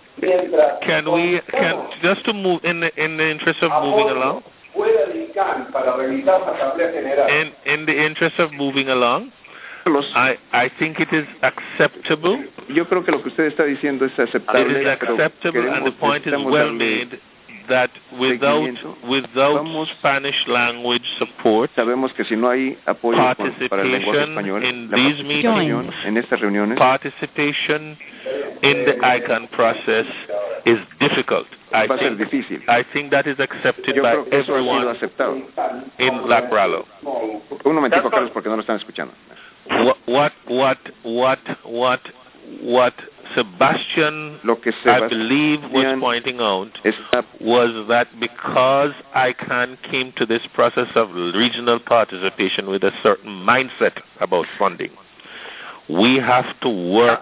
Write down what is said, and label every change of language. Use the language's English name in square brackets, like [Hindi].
[English] Can just to move in the interest of moving along? In the interest of moving along, I think it is acceptable. [Spanish] Yo creo que lo que usted está diciendo es aceptable. [English] It is acceptable, and the point is well made. That without Spanish language support, [Spanish] sabemos que si no hay apoyo para el lenguaje español, [English] in these meetings, [Spanish] en estas reuniones, [English] participation in the ICANN process is difficult. I think that is accepted by everyone in Lacrallo. [Spanish] Un momentico, Carlos, porque no lo están escuchando. [English] What Sebastian, I believe, was pointing out was that because ICANN came to this process of regional participation with a certain mindset about funding, we have to work...